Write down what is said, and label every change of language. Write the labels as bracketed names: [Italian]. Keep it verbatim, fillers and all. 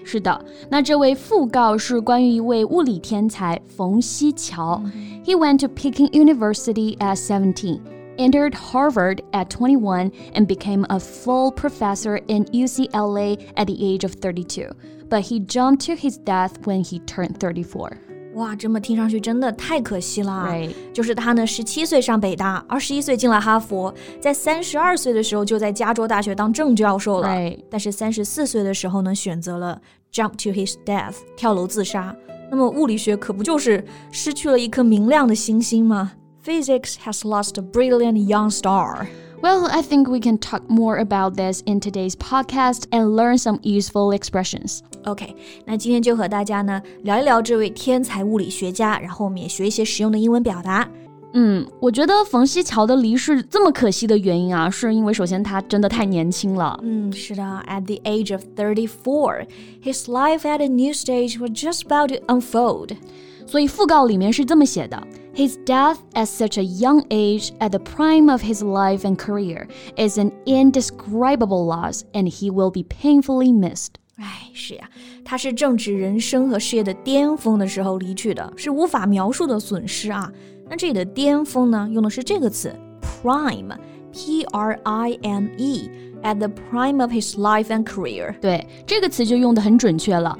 [Chinese] 是的，那这位讣告是关于一位物理天才冯西樵、mm-hmm. [English] He went to Peking University at seventeen, entered Harvard at twenty-one, and became a full professor in U C L A at the age of thirty-two. But he jumped to his death when he turned thirty-four. [Chinese] 哇，这么听上去真的太可惜了。 [English] Right. [Chinese] 就是他呢，十七岁上北大，二十一岁进了哈佛，在三十二岁的时候就在加州大学当正教授了。 [English] Right. [Chinese] 但是三十四岁的时候呢，选择了 [English] jump to his death， [Chinese] 跳楼自杀。那么物理学可不就是失去了一颗明亮的星星吗？ [English] Physics has lost a brilliant young star. Well, I think we can talk more about this in today's podcast and learn some useful expressions. [Chinese] Okay, 那今天就和大家呢聊一聊这位天才物理学家，然后我们也学一些实用的英文表达。嗯，我觉得冯西樵的离世这么可惜的原因啊，是因为首先他真的太年轻了。嗯，是的 [English] ，at the age of thirty-four, his life at a new stage was just about to unfold. [Chinese] 所以讣告里面是这么写的 [English] His death at such a young age at the prime of his life and career is an indescribable loss and he will be painfully missed. [Chinese] 哎，是呀，他是正值人生和事业的巅峰的时候离去的，是无法描述的损失啊。那这里的巅峰呢，用的是这个词 prime, P R I M E, [English] at the prime of his life and career. [Chinese] 对，这个词就用得很准确了。